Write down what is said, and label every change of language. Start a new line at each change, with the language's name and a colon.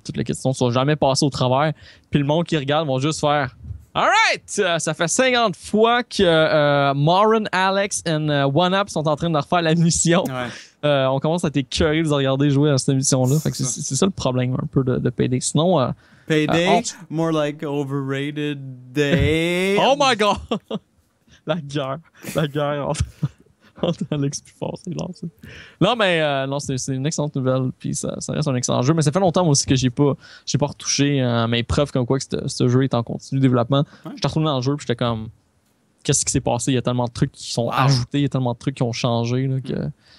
French: Toutes les questions sont jamais passées au travers, puis le monde qui regarde vont juste faire all right, ça fait 50 fois que Maron, Alex and One Up sont en train de refaire la mission. Ouais. On commence à être curieux de regarder jouer à cette émission-là. Fait que c'est ça le problème un peu de Payday. Sinon,
English: Payday, more like overrated day. Oh my god!
French: La guerre entre Alex et Force, c'est lancé. Non, mais c'est une excellente nouvelle. Puis ça reste un excellent jeu. Mais ça fait longtemps aussi que j'ai pas retouché mes preuves comme quoi que ce jeu est en continu développement. Ouais. J'étais retourné dans le jeu et j'étais comme, qu'est-ce qui s'est passé? Il y a tellement de trucs qui sont ajoutés, il y a tellement de trucs qui ont changé là, que.